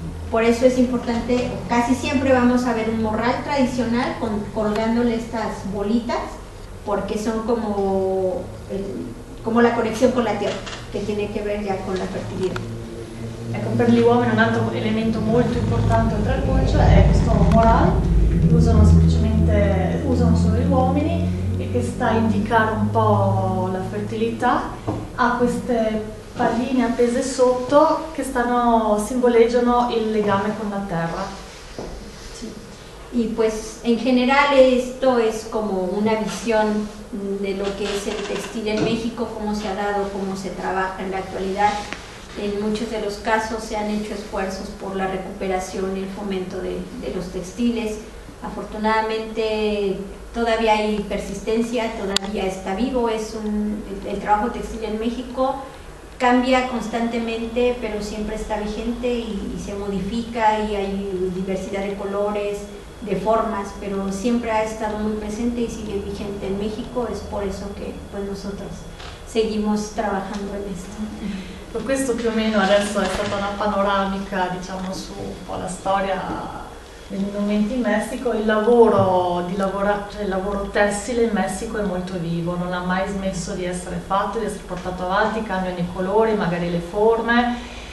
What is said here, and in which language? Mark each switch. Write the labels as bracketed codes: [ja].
[es] Por eso es importante, casi siempre vamos a ver un morral tradicional colgándole estas bolitas, porque son como la conexión con la tierra, que tiene que ver ya con la fertilidad. [it] Ecco, per gli uomini un altro elemento molto importante oltre al poncho è questo morral, che usano solo gli uomini e che sta a indicare un po' la fertilità. Ha queste palline appese sotto che simboleggiano il legame con la terra. [es] Y pues en general esto es como una visión de lo que es el textil en México, cómo se ha dado, cómo se trabaja en la actualidad. En muchos de los casos se han hecho esfuerzos por la recuperación y el fomento de los textiles. Afortunadamente todavía hay persistencia, todavía está vivo. El trabajo textil en México cambia constantemente, pero siempre está vigente y se modifica y hay diversidad de colores, de formas, pero siempre ha estado muy presente y sigue vigente en México. Es por eso que pues nosotros seguimos trabajando en esto. Por esto, más o menos, [it] adesso è stata una panoramica, diciamo, su un po' la storia degli indumenti in Messico. Il lavoro tessile in Messico è molto vivo, non ha mai smesso di essere fatto, di essere portato avanti, cambiano i colori, magari le forme.